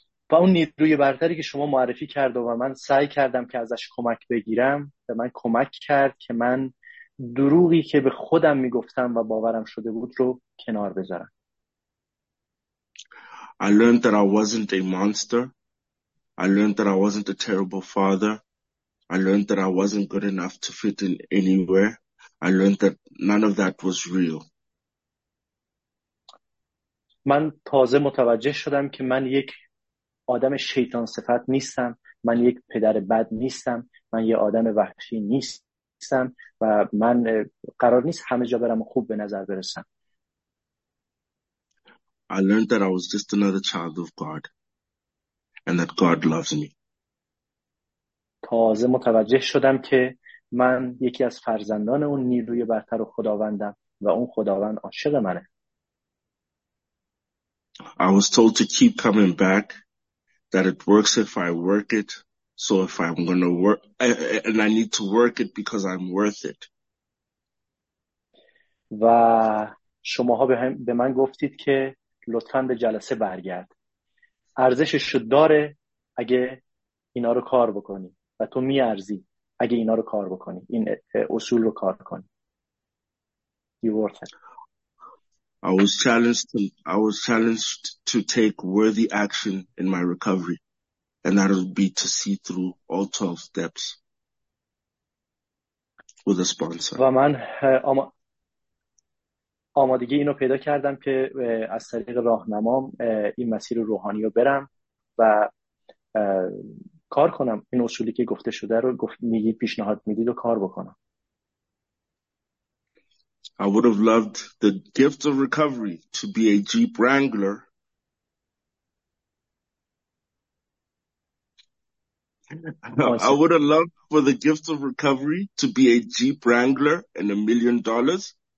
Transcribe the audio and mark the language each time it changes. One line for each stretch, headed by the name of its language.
Persian: و اون نیروی برتری که شما معرفی کرد و من سعی کردم که ازش کمک بگیرم به من کمک کرد که من دروغی که به خودم میگفتم و باورم شده بود رو کنار بذارم.
English: I learned that I wasn't a monster. I learned that I wasn't a terrible father. I learned that I wasn't good enough to fit in anywhere. I learned that none of that was real.
Persian: من تازه متوجه شدم که من یک آدم شیطان صفت نیستم. من یک پدر بد نیستم. من یک آدم وحشی نیستم و من قرار نیست همه جا برم خوب به نظر برسم.
English: I learned that I was just another child of God and that God loves me.
Persian: تازه متوجه شدم که من یکی از فرزندان اون نیروی برتر و خداوندم و اون خداوند عاشق منه.
English: I was told to keep coming back, that it works if I work it, so if I'm going to work, and I need to work it because I'm worth it.
Persian: و شماها به من گفتید که لطفاً به جلسه برگرد. ارزشش رو داره اگه اینا رو کار بکنی و تو می‌ارزی اگه اینا رو کار بکنی. این اصول رو کار کنی.
English: You're worth it. I was challenged to take worthy action in my recovery, and that would be to see through all 12 steps with a sponsor.
Persian: و من آمادگی اینو پیدا کردم که از طریق راهنمام این مسیر روحانی رو برم و کار کنم. این اصولی که گفته شده رو میگید، پیشنهاد میدید و کار بکنم.
English: I would have loved the gift of recovery to be a Jeep Wrangler. I would have loved for the gift of recovery to be a Jeep Wrangler and $1,000,000.